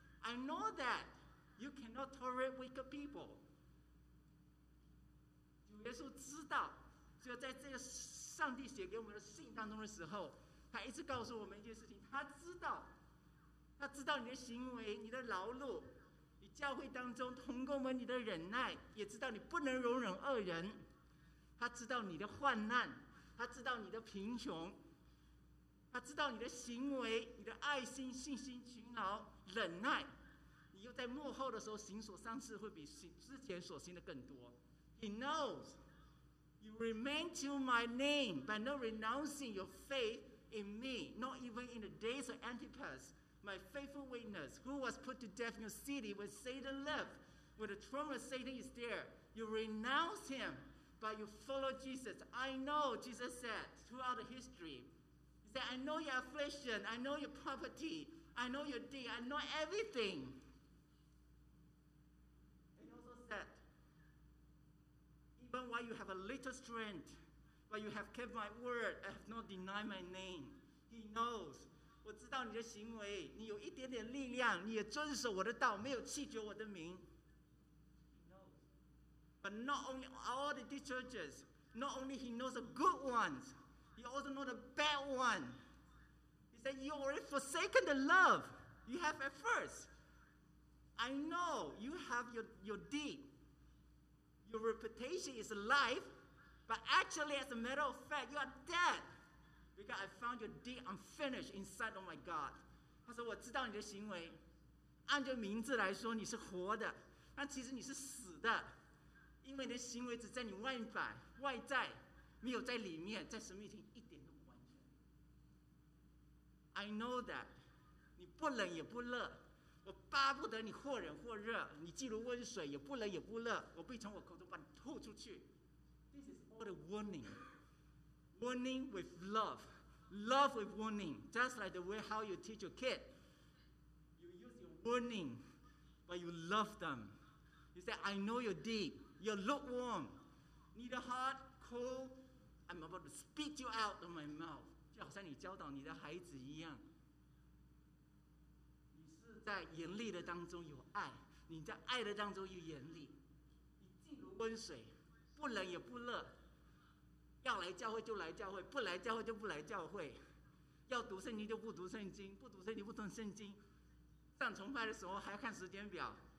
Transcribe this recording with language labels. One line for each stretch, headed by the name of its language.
English: I know that you cannot tolerate wicked people.
Chinese: 主耶稣知道，所以在这个上帝写给我们的信当中的时候，他一直告诉我们一件事情，他知道你的行为，你的劳碌，你教会当中同工们你的忍耐，也知道你不能容忍恶人，他知道你的患难，他知道你的贫穷，他知道你的行为，你的爱心、信心、勤劳、忍耐，你又在幕后的时候行所善事会比之前所行的更多。
English: He knows you remain to my name by not renouncing your faithIn me, not even in the days of Antipas, my faithful witness, who was put to death in your city where Satan lived, where the throne of Satan is there. You renounce him, but you follow Jesus. I know, Jesus said throughout history. He said, I know your affliction, I know your poverty, I know your deed, I know everything. He also said, even while you have a little strength,But you have kept my word. I have not denied my name. He knows.
Chinese: 我知道你的行为，你有一点点力量，你也遵守我的道，没有弃绝我的名。
English: He knows. But not only all the churches, not only he knows the good ones, he also knows the bad one. He said, you already forsaken the love you have at first. I know you have your deed. Your reputation is alive. But actually, as a matter of fact, you are dead because I found your deed unfinished inside of my God.
Chinese: 他说，我知道你的行为，按着名字来说你是活的，但其实你是死的，因为你的行为只在你外在，没有在里面，在神面前一点都不完全。
English: I know that
Chinese: 你不冷也不热，我巴不得你或冷或热，你既如温水，也不冷也不热，我必从我口中把你吐出去。
English: What a warning. Warning with love. Love with warning. Just like the way how you teach your kid. You use your warning, but you love them. You say, I know you're deep. You're lukewarm. Need a heart, cold. I'm about to spit you out of my mouth.
Chinese: 就好像你教导你的孩子一样。你是在严厉的当中有爱。你在爱的当中有严厉。你静如温水。不冷也不热，要来教会就来教会，不来教会就不来教会，要读圣经就不读圣经，不读圣经不读圣经，上崇拜的时候还要看时间表。